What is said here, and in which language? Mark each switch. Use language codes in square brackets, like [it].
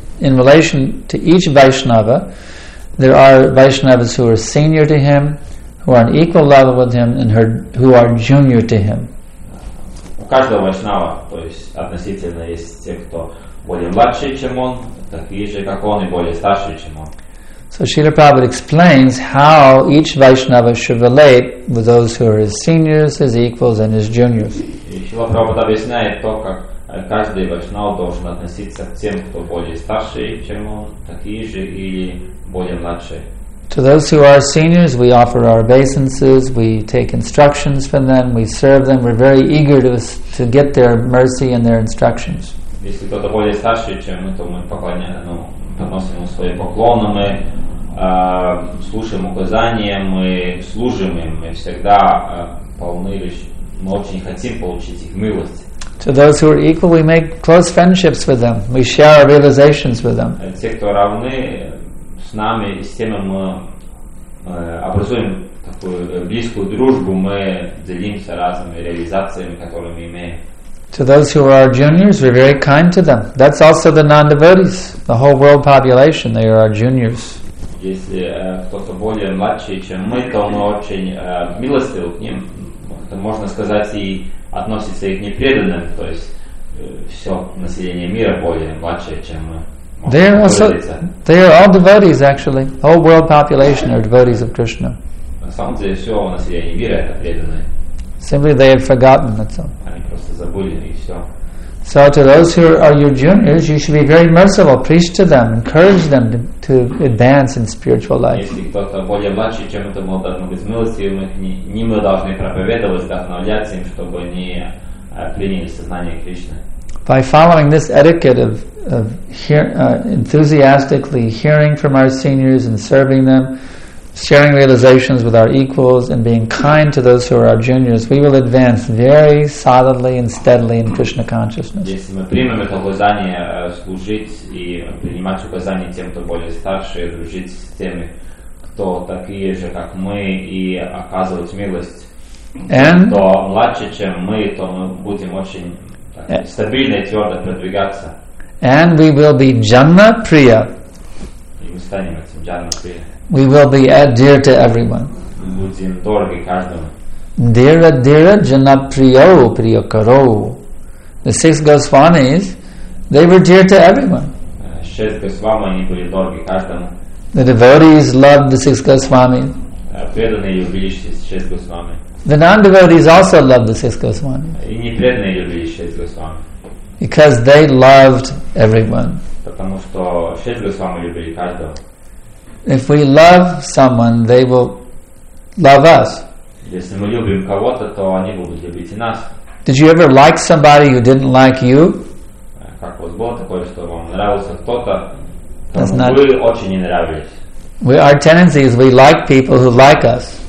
[en] In relation to each Vaishnava, there are Vaishnavas who are senior to him, who are on equal level with him, and who are junior to him. [ru] У каждого Вайшнава, то есть относительно есть те, кто более младше, чем он, такие же, как он, и более старше, чем он. [en] So Srila Prabhupada explains how each Vaishnava should relate with those who are his seniors, his equals, and his juniors. [ru] Srila Prabhupada объясняет то, как каждый Вайшнава должен относиться к тем, кто более старше, чем он, такие же или более младше. [en] To those who are seniors, we offer our obeisances, we take instructions from them, we serve them, we're very eager to get their mercy and their instructions. [ru] Если кто-то более старше, чем мы, то мы поклоняемся, ну, относим ему свои поклоны, мы слушаем указания, мы служим им, мы всегда полны лишь, мы очень хотим получить их милость. [en] To those who are equal, we make close friendships with them, we share our realizations with them. [ru] Те, кто равны с нами, с теми мы образуем такую близкую дружбу, мы делимся разными реализациями, которые мы имеем. [en] To those who are our juniors, we're very kind to them. That's also the non-devotees, the whole world population. They are our juniors. [ru] Если кто-то более младший, чем мы, то мы очень милостивы к ним. Это можно сказать и относится и к непреданным. То есть все население мира более младшее, чем мы. [en] They are all devotees, actually. The whole world population are devotees of Krishna. [ru] На самом деле все население мира это преданные. [en] Simply they have forgotten, that's all. [ru] Забыли, и все. [en] So to those who are your juniors, you should be very merciful. Preach to them, encourage them to advance in spiritual life. [ru] Если кто-то более младший, чем это, мы должны быть милостивыми, не мы должны проповедовать, вдохновлять им, чтобы они приняли сознание Кришны. [en] By following this etiquette enthusiastically hearing from our seniors and serving them, sharing realizations with our equals, and being kind to those who are our juniors, we will advance very solidly and steadily in Krishna consciousness. [ru] Если мы примем это указание служить и принимать указания тем, кто более старше, дружить с теми, кто такие же, как мы, и оказывать милость, [en] and [ru] кто младше, чем мы, то мы будем очень стабильно и твердо продвигаться. [en] And we will be Janma Priya. [ru] И мы станем этим Janma Priya. [en] We will be dear to everyone. [ru] Будем дороги каждому. [en] Dear, dear, Janma Priyo, Priya Karo. The six Goswamis, they were dear to everyone. [ru] Шесть Госвами, они были дороги каждому. [en] The devotees loved the six Goswamis. [ru] Преданные любили шесть Госвами. [en] The non-devotees also loved the six Goswamis. [ru] И непреданные любили шесть Госвами. [en] Because they loved everyone. [ru] Потому что шесть Госвами любили каждого. [en] If we love someone, they will love us. [ru] Если мы любим кого-то, то они будут любить и нас. [en] Did you ever like somebody who didn't like you? [ru] Как у вас было такое, что вам нравился кто-то, кому вы очень не нравились? [en] Our tendency is we like people who like us.